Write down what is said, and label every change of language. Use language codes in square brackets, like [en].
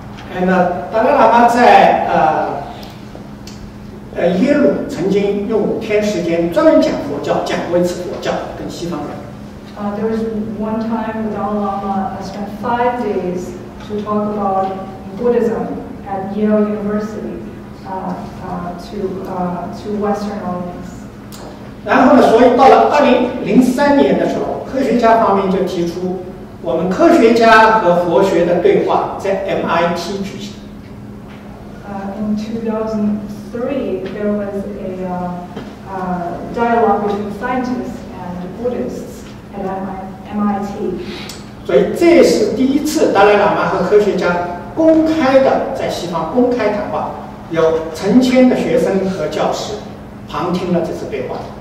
[zh] And Dalai Lama 在耶鲁曾经用五天时间专门讲佛教，讲过一次佛教跟西方人。 [en] There was one time Dalai Lama spent 5 days to talk about Buddhism at Yale University to Western audience. [zh] 然后呢，所以到了2003年的时候，科学家方面就提出。我们科学家和佛学的对话在 MIT 举行。 [en] In 2003, there was a dialogue between scientists and Buddhists at MIT. [zh] 所以这是第一次达赖喇嘛和科学家公开的在西方公开谈话，有成千的学生和教师旁听了这次对话。